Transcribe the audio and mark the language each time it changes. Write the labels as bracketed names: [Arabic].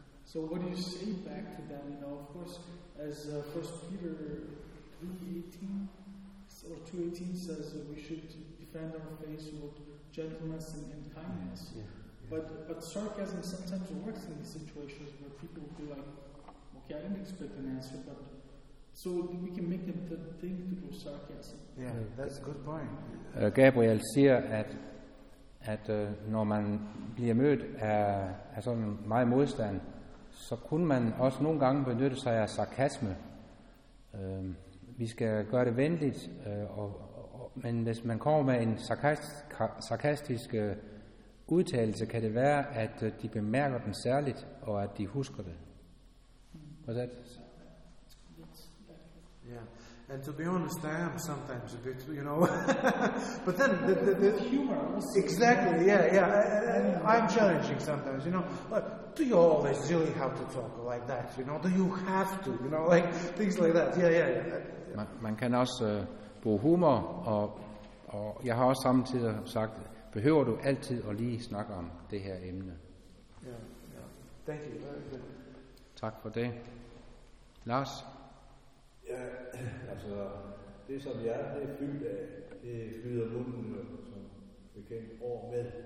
[English] So what do you say back to them? You know, of course, as 1 Peter 2:18 says, we should defend our faith with gentleness and kindness. Yeah. Yeah. But sarcasm sometimes works in these situations where people feel like, okay, I didn't expect an answer, but so we can make them think through sarcasm. Yeah, that's a good point. [Danish] Gabriel siger, at når man bliver mødt af sådan meget modstand, så kunne man også nogle gange benytte sig af sarkasme. Vi skal gøre det venligt, men hvis man kommer med en sarkastisk udtalelse, kan det være, at de bemærker den særligt, og at de husker det. Hvad er det? [English] Yeah. And to be honest, I am sometimes a bit, you know. But then the humor. Exactly. Yeah. I'm challenging sometimes, you know. But do you always really have to talk like that? You know, do you have to? You know, like things like that. Yeah. [Danish] Man kan også bruge humor, og jeg har også samtidig sagt, behøver du altid at lige snakke om det her emne? [English] Yeah. Thank you. [Danish] Tak for det. Lars. Ja, altså det som hjertet er fyldt af, det flyder munden som bekendt over med.